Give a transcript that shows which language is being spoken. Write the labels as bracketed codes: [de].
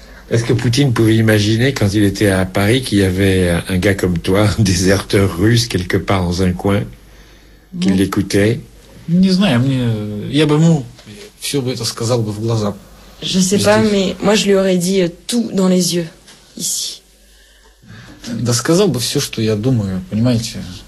[fr] Est-ce que Poutine pouvait imaginer quand il était à Paris qu'il y avait un gars comme toi, un déserteur russe quelque part dans un coin, qui l'écoutait? [ru] Не знаю, мне я бы ему все бы это сказал бы в глаза. [fr] Je sais pas, mais moi je lui aurais dit tout dans les yeux ici. [ru] Да сказал бы все, что я думаю, понимаете?